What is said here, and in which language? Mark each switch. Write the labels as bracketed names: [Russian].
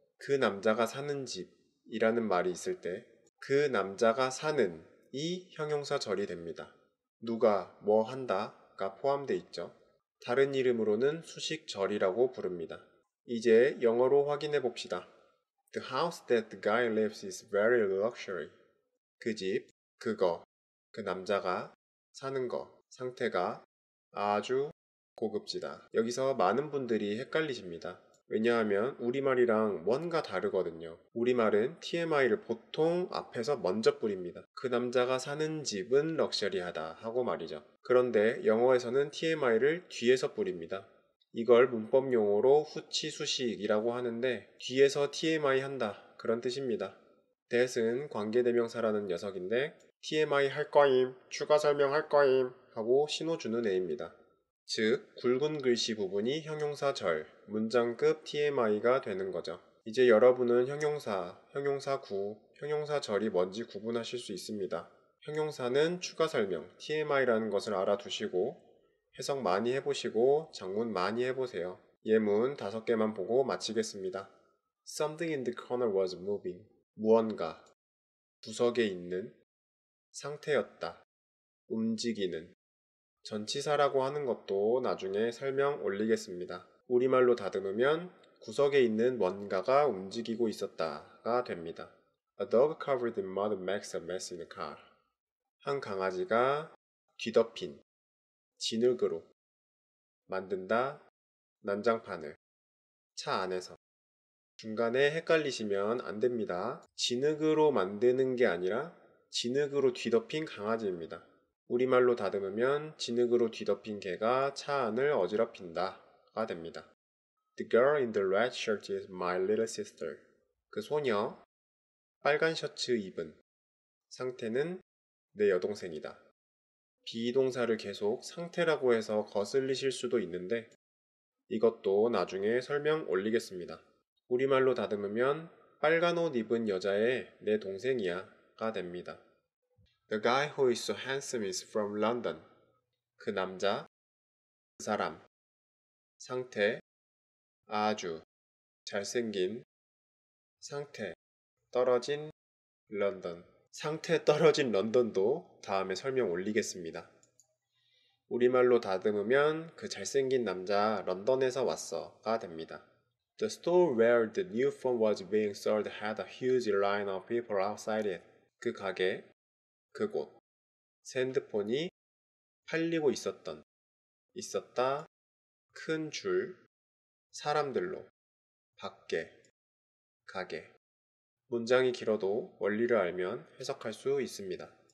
[Korean] 그 남자가 사는 집이라는 말이 있을 때그 남자가 사는 이 형용사 절이 됩니다. 누가 뭐 한다가 포함돼 있죠. 다른 이름으로는 수식 절이라고 부릅니다. 이제 영어로 확인해 봅시다. [English] The house that the guy lives is very luxury. [Korean] 그 집, 그거, 그 남자가 사는 거, 상태가 아주 고급지다. 여기서 많은 분들이 헷갈리십니다. 왜냐하면 우리말이랑 뭔가 다르거든요. 우리말은 TMI를 보통 앞에서 먼저 뿌립니다. 그 남자가 사는 집은 럭셔리하다 하고 말이죠. 그런데 영어에서는 TMI를 뒤에서 뿌립니다. 이걸 문법 용어로 후치수식이라고 하는데 뒤에서 TMI 한다 그런 뜻입니다. that은 관계대명사라는 녀석인데 TMI 할 거임, 추가 설명할 거임 하고 신호 주는 애입니다. 즉, 굵은 글씨 부분이 형용사 절, 문장급 TMI가 되는 거죠. 이제 여러분은 형용사, 형용사 구, 형용사 절이 뭔지 구분하실 수 있습니다. 형용사는 추가 설명, TMI라는 것을 알아두시고 해석 많이 해보시고 작문 많이 해보세요. 예문 다섯 개만 보고 마치겠습니다. [English] Something in the corner was moving. [Korean] 무언가. 구석에 있는. 상태였다. 움직이는. 전치사라고 하는 것도 나중에 설명 올리겠습니다. 우리말로 다듬으면 구석에 있는 뭔가가 움직이고 있었다가 됩니다. [English] A dog covered in mud makes a mess in the car. [Korean] 한 강아지가 뒤덮인. 진흙으로 만든다. 난장판을 차 안에서. 중간에 헷갈리시면 안 됩니다. 진흙으로 만드는 게 아니라 진흙으로 뒤덮인 강아지입니다. 우리말로 다듬으면 진흙으로 뒤덮인 개가 차 안을 어지럽힌다 가 됩니다. [English] The girl in the red shirt is my little sister. [Korean] 그 소녀, 빨간 셔츠 입은 상태는 내 여동생이다. 비동사를 계속 상태라고 해서 거슬리실 수도 있는데 이것도 나중에 설명 올리겠습니다. 우리말로 다듬으면 빨간 옷 입은 여자의 내 동생이야 가 됩니다. [English] The guy who is so handsome is from London. [Korean] 그 남자, 그 사람, 상태, 아주, 잘생긴, 상태, 떨어진, 런던. 상태 떨어진 런던도 다음에 설명 올리겠습니다. 우리말로 다듬으면 그 잘생긴 남자 런던에서 왔어 가 됩니다. [English] The store where the new phone was being sold had a huge line of people outside it. [Korean] 그 가게, 그곳, 핸드폰이 팔리고 있었던, 있었다, 큰 줄, 사람들로, 밖에, 가게. 문장이 길어도 원리를 알면 해석할 수 있습니다.